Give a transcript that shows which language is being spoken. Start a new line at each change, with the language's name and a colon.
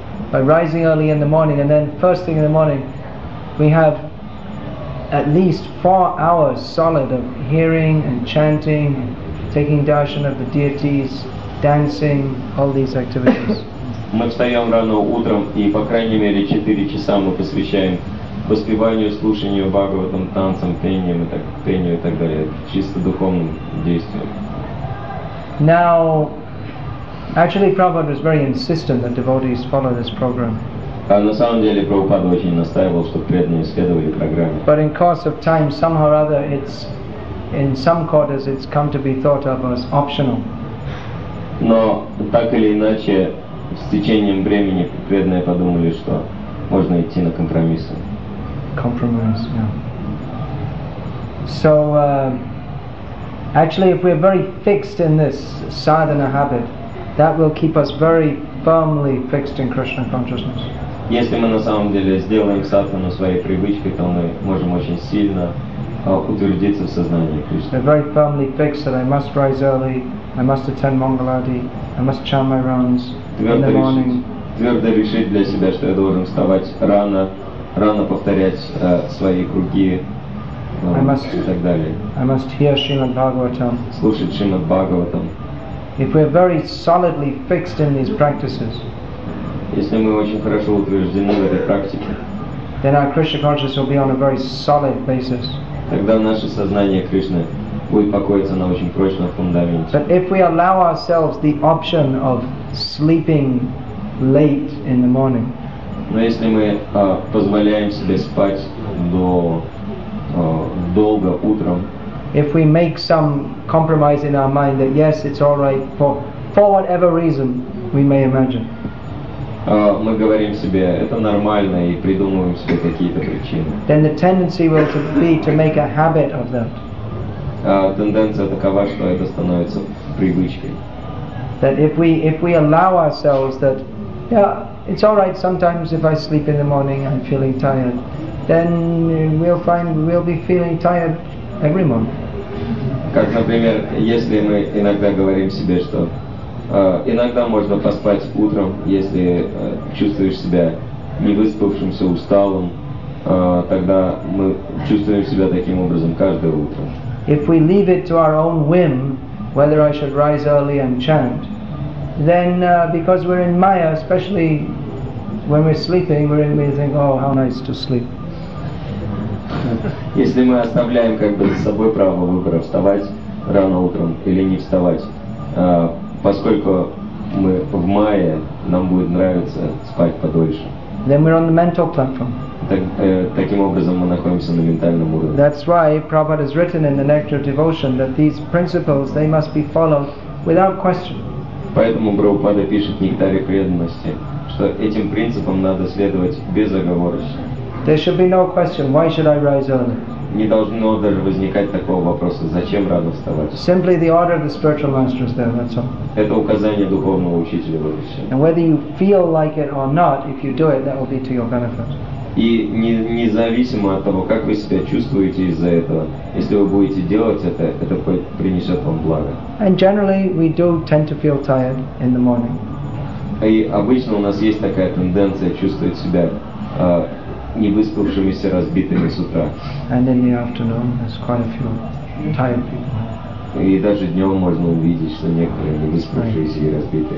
English: By rising early in the morning, and then first thing in the morning, we have at least 4 hours solid of hearing and chanting, taking darshan of the deities, dancing, all these activities.
Russian: Мы встаем рано утром и по крайней мере 4 часа мы посвящаем воспеванию, слушанию Бхагаватам, танцам, пению и так далее, чисто духовным действиям.
English: Now, actually, Prabhupada was very insistent that devotees follow this program.
Russian: А на самом деле Прабхупада очень настаивал, чтобы преданные следовали программе.
English: But in course of time, somehow or other, it's in some quarters it's come to be thought of as optional.
Russian: Но так или иначе, с течением времени преданные подумали, что можно идти на компромиссы.
English: Compromise, yeah. So actually, if we're very fixed in this sadhana habit, that will keep us very firmly fixed in Krishna consciousness.
Russian: Если мы на самом деле сделаем сатхану своей привычкой, то мы можем очень сильно утвердиться в сознании Кришны.
English: They're very firmly fixed that I must rise early, I must attend Mangaladi, I must chant my rounds in the morning.
Russian: Твердо решить для себя, что я должен вставать рано, рано повторять свои круги и так далее.
English: I must hear Srimad Bhagavatam.
Russian: Слушать Шримад Бхагаватам.
English: If we're very solidly fixed in these practices,
Russian: если мы очень хорошо утверждены в этой практике,
English: then our Krishna consciousness will be on a very solid basis.
Russian: Тогда наше сознание Кришны будет покоиться на очень прочном фундаменте.
English: But if we allow ourselves the option of sleeping late in the morning,
Russian: но если мы позволяем себе спать долго утром,
English: if we make some compromise in our mind that yes, it's all right for whatever reason we may imagine.
Russian: Мы говорим себе, это нормально, и придумываем себе какие-то причины.
English: Then the tendency will be to make a habit of that.
Russian: Тенденция такова, что это становится привычкой.
English: That if we allow ourselves that, yeah, it's all right sometimes if I sleep in the morning, I'm feeling tired, then we'll be feeling tired every morning.
Russian: Как, например, если мы иногда говорим себе, что иногда можно поспать утром, если чувствуешь себя невыспавшимся, усталым, тогда мы чувствуем себя таким образом каждое утро.
English: If we leave it to our own whim, whether I should rise early and chant, then because we're in Maya, especially when we're sleeping, we think, oh, how nice to sleep.
Russian: Если мы оставляем как бы за собой право выбора вставать рано утром или не вставать, поскольку мы в мае, нам будет нравиться спать подольше.
English: Then we're on the mental platform.
Russian: Таким образом мы находимся на ментальном уровне.
English: That's why Prabhupada has written in the Nectar of Devotion that these principles, they must be followed without question.
Russian: Поэтому Прабхупада пишет в Нектаре преданности, что этим принципам надо следовать безоговорочно.
English: There should be no question, why should I rise early?
Russian: Не должно даже возникать такого вопроса, зачем рано вставать?
English: Simply the order of the spiritual master is there, that's all.
Russian: Это указание духовного учителя вот и все.
English: And whether you feel like it or not, if you do it, that will be to your benefit.
Russian: И независимо от того, как вы себя чувствуете из-за этого, если вы будете делать это принесет вам благо.
English: And generally we do tend to feel tired in the morning.
Russian: И обычно у нас есть такая тенденция чувствовать себя не выспавшимися, разбитыми с утра.
English: And in the afternoon, there's quite a few tired people.
Russian: И даже днем можно увидеть, что некоторые не выспавшиеся и разбитые.